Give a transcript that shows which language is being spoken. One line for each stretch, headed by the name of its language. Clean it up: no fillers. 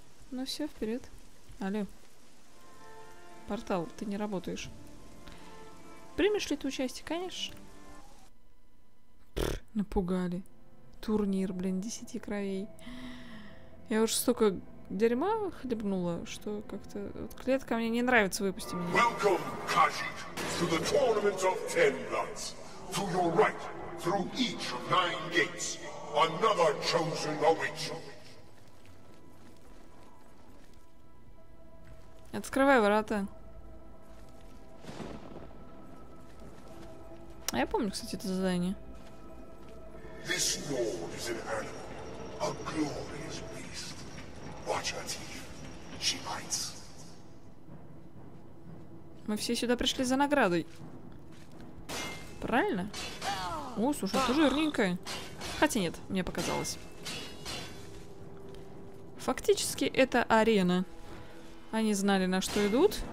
Russian: Ну все, вперед. Алло. Портал, ты не работаешь. Примешь ли ты участие? Конечно. Напугали. Турнир, блин, 10 кровей. Я уже столько дерьма хлебнула, что как-то... Вот клетка мне не нравится, выпусти меня.
English: Welcome, Khajiit, to the tournament of ten bloods. To your right, through each of nine gates, another chosen awaits.
Russian: Открывай ворота. А я помню, кстати, это задание.
English: This lord is an animal, a glorious beast.
Russian: Мы все сюда пришли за наградой. Правильно? О, слушай, ты жирненькая. Хотя нет, мне показалось. Фактически это арена. Они знали, на что идут.